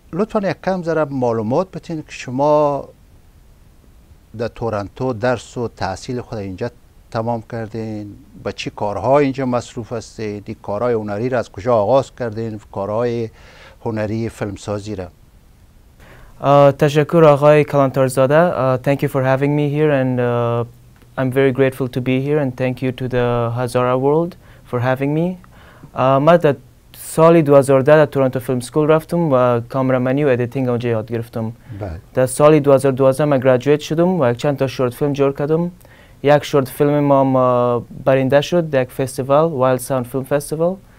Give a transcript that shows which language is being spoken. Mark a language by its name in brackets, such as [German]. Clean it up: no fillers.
[Persian] لطفا یک کم ذرا معلومات بتین که شما در تورنتو درس و تحصیل خود اینجا تمام کردین، با چی کارها اینجا مصروف هستید، این کارهای هنری را از کجا آغاز کردین، کارهای هنری فیلمسازی را؟ تشکر آقای کلانتارزاده. [English] Thank you for having me here and I'm very grateful to be here and thank you to the Hazara world for having me. [Persian] من در سال 2010 در تورنتو فیلم سکول رفتم و کامرمنی و ادیتینگ اونجا یاد گرفتم. در سال 2012 من گراجویت شدم و یک چند تا شورت فیلم جور کردم. یک شورت فیلم ما برنده شد در یک فستیوال، وایلد ساوند فیلم فستیوال.